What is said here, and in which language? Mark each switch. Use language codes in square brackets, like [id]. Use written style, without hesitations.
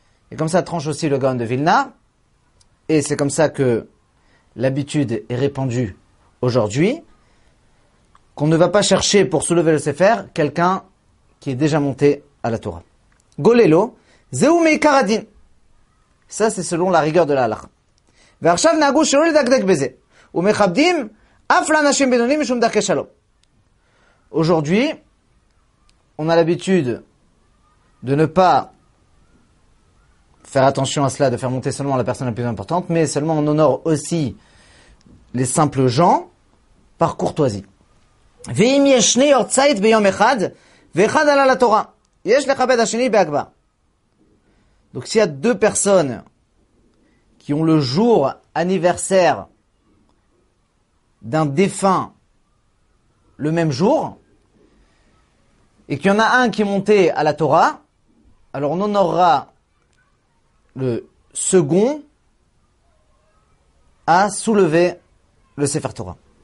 [fr] Et comme ça tranche aussi le Gaon de Vilna, et c'est comme ça que l'habitude est répandue aujourd'hui, qu'on ne va pas chercher pour soulever le Sefer quelqu'un qui est déjà monté à la Torah. [he] Golelo, zehu meikar adin. [fr] Ça, c'est selon la rigueur de la halakha. [he] ועכשיו נהגו שלא לדקדק בזה, ומכבדים אף לאנשים בינוניים משום דרכי שלום. [fr] Aujourd'hui, on a l'habitude de ne pas faire attention à cela, de faire monter seulement la personne la plus importante, mais seulement on honore aussi les simples gens par courtoisie. [he] ואם יש שני יורצייט ביום אחד, ואחד עלה לתורה, יש לכבד השני בהקבה. [fr] Donc s'il y a deux personnes qui ont le jour anniversaire d'un défunt le même jour et qu'il y en a un qui est monté à la Torah, alors on honorera le second à soulever le Sefer Torah.